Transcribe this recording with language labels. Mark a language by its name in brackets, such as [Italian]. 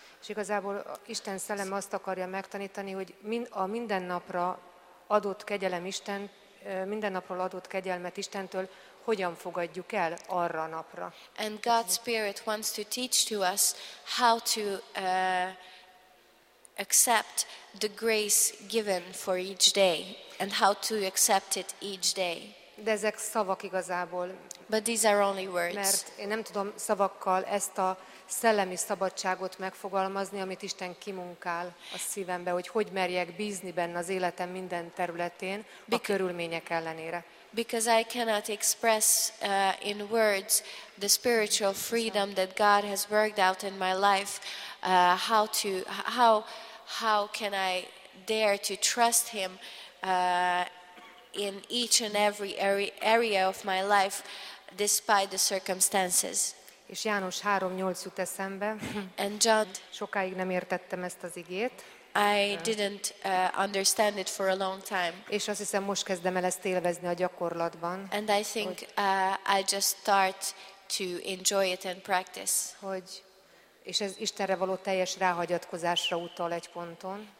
[Hungarian] És igazából Isten szelleme azt akarja megtanítani, hogy a mindennapra adott kegyelem Isten, mindennapról adott kegyelmet Istentől hogyan fogadjuk el arra a napra. [English] And God's Spirit wants to teach to us how to accept the grace given for each day and how to accept it each day. [Hungarian] De ezek szavak igazából. [English] But these are only words. [Hungarian] Mert én nem tudom szavakkal ezt a szellemi szabadságot megfogalmazni, amit Isten kimunkál a szívembe, hogy merjek bízni benne az életem minden területén, a körülmények ellenére. [English] Because I cannot express in words the spiritual freedom that God has worked out in my life, how can I dare to trust him in each and every area of my life despite the circumstances. [Hungarian] És János 3:8 jut eszembe. [English] And John, [Hungarian] sokáig nem értettem ezt az igét. [English] I didn't understand it for a long time. [Hungarian] És azt hiszem, most kezdem el ezt élvezni a gyakorlatban. [English] And I think I just start to enjoy it and practice. [Hungarian] Hogy és ez Istenre való teljes ráhagyatkozásra utal egy ponton.